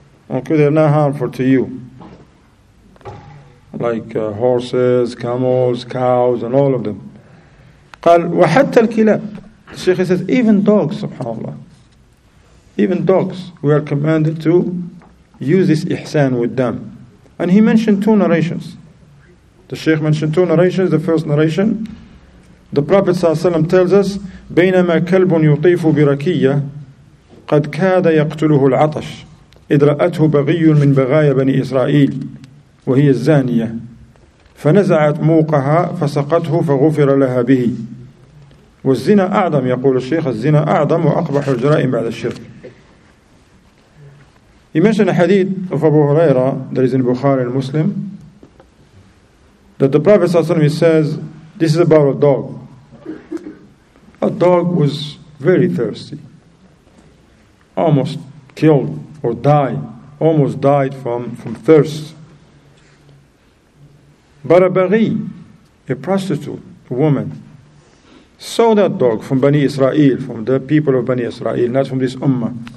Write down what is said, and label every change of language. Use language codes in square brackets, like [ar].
[en] Okay, they're not harmful to you. Like horses, camels, cows, and all of them. [ar] قال وحتى الكلاب. [en] The Shaykh says, even dogs, subhanAllah. Even dogs, we are commanded to use this ihsan with them. And he mentioned two narrations. The Shaykh mentioned two narrations. The first narration, the Prophet ﷺ tells us, [ar] بينما كلب يطيف بركية قد كاد يقتله العطش إذ رأته بغي من بغايا بني إسرائيل وهي الزانية فنزعت موقها فسقته فغفر لها به والزنا أعظم، يقول الشيخ الزنا أعظم وأقبح الجرائم بعد الشرك. يمشن حديث أبو هريرة درزن البخاري المسلم [en] that the Prophet صلى الله عليه وسلم says this is about a dog. A dog was very thirsty, almost killed or died, almost died from thirst. But a baghi, a prostitute, a woman, saw that dog from Bani Israel, from the people of Bani Israel, not from this ummah.